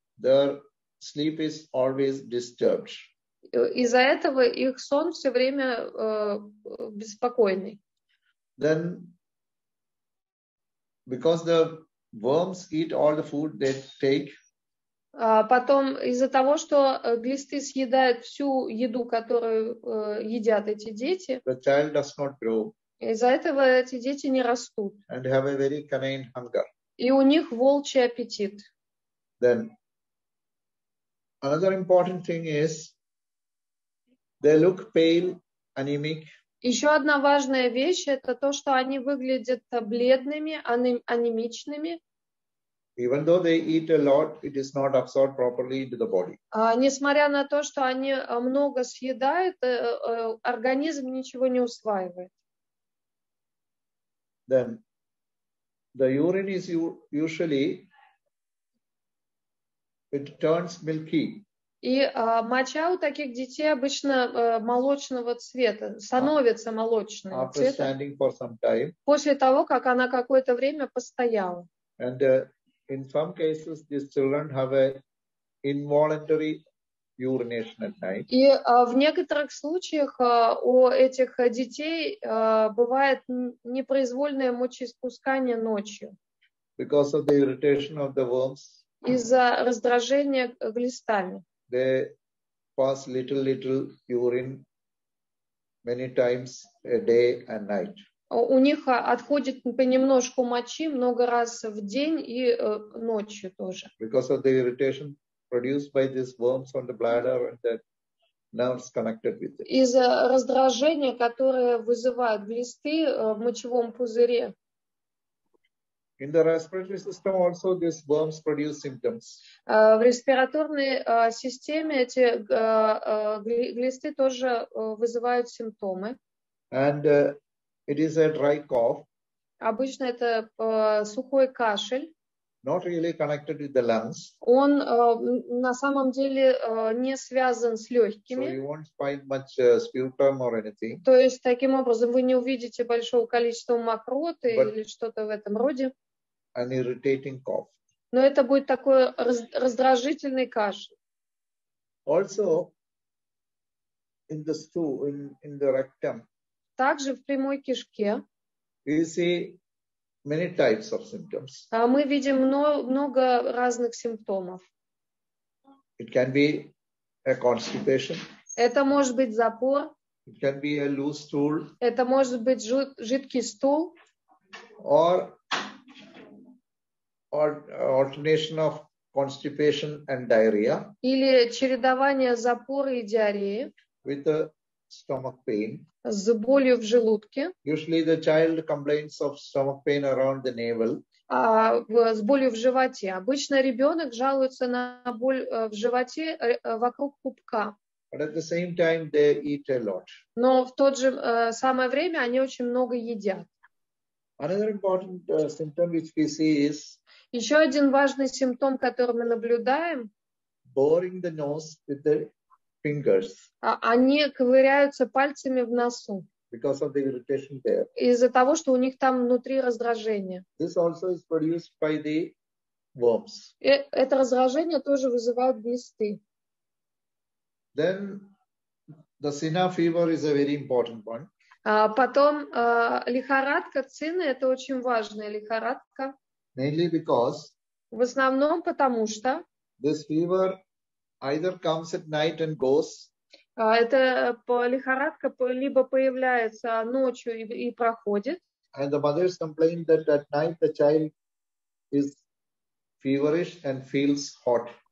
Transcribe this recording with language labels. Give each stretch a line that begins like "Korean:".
English: Their sleep is always disturbed.
Russian: Из-за этого их сон все время беспокойный.
English: Then, because the worms eat all the food they take.
Russian: Потом, из-за того, что глисты съедают всю еду, которую едят эти дети.
English: The child does not grow.
Russian: Из-за этого эти дети не растут.
English: And have a very canine hunger.
Russian: И у них волчий аппетит.
English: Then, another important thing is, they look pale, anemic.
Russian: Еще одна важная вещь, это то, что они выглядят бледными, анемичными.
English: Even though they eat a lot, it is not absorbed properly into the body.
Russian: Несмотря на то, что они много съедают, организм ничего не усваивает.
English: Then the urine is usually it turns milky.
Russian: И моча у таких детей обычно молочного цвета, становится молочным цветом.
English: After standing for some time.
Russian: После того, как она какое-то время постояла.
English: And in some cases these children have a involuntary urination at night.
Russian: И в некоторых случаях у этих детей бывает непроизвольное мочеиспускание ночью.
English: Because of the irritation of the worms.
Russian: Из-за раздражения глистами.
English: They pass little urine many times a day and night.
Russian: У них отходит понемножку мочи много раз в день и ночью тоже.
English: Because of the irritation. Produced by these worms on the bladder and the nerves connected with it.
Russian: Из-за раздражения, которое вызывают глисты в мочевом пузыре.
English: In the respiratory system also these worms produce symptoms.
Russian: В респираторной системе эти глисты тоже вызывают симптомы.
English: And it is a dry cough.
Russian: Обычно это сухой кашель.
English: Not really connected with the lungs.
Russian: Он на самом деле не связан с легкими.
English: So you won't find much sputum or anything.
Russian: То есть таким образом вы не увидите большого количества мокроты или что-то в этом роде.
English: An irritating cough.
Russian: Но это будет такой раздражительный кашель.
English: Also in the stool, in the rectum.
Russian: Также в прямой кишке.
English: You see many types of symptoms.
Russian: Мы видим много разных симптомов.
English: It can be a constipation.
Russian: Это может быть запор.
English: It can be a loose stool.
Russian: Это может быть жидкий стул.
English: Or alternation of constipation and diarrhea.
Russian: Или чередование запора и диареи.
English: With the stomach pain.
Russian: С болью в желудке.
English: Usually the child complains of stomach pain around the navel.
Russian: С болью в животе. Обычно ребенок жалуется на боль в животе вокруг пупка.
English: But at the same time they eat a lot.
Russian: Но в тот же самое время они очень много едят.
English: Another important symptom which we see is.
Russian: Еще один важный симптом, который мы наблюдаем.
English: Boring the nose with the fingers.
Russian: Они ковыряются пальцами в носу.
English: Because of the irritation there.
Russian: Из-за того, что у них там внутри раздражение.
English: This also is produced by the worms.
Russian: Это раздражение тоже вызывают глисты.
English: Then the Cina fever is a very important one.
Russian: Потом лихорадка Цина – это очень важная лихорадка.
English: Mainly because.
Russian: В основном потому что.
English: This fever either comes at night and goes.
Russian: Это лихорадка либо появляется ночью и проходит.
English: And the mothers complain that at night the child is feverish and feels hot.